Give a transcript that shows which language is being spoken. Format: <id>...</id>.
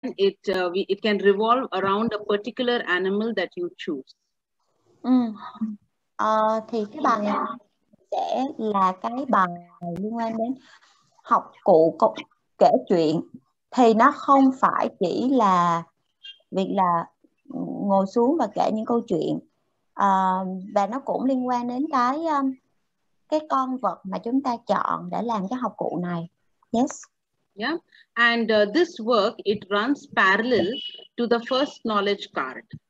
<en>It can revolve around a particular animal that you choose.</en> <vi>Thì cái bài này sẽ là cái bài liên quan đến học cụ cụ kể chuyện, thì nó không phải chỉ là việc là ngồi xuống và kể những câu chuyện, và nó cũng liên quan đến cái con vật mà chúng ta chọn để làm cái học cụ này.</vi> <en>Yeah, and this work, it runs parallel to the first knowledge card.</en>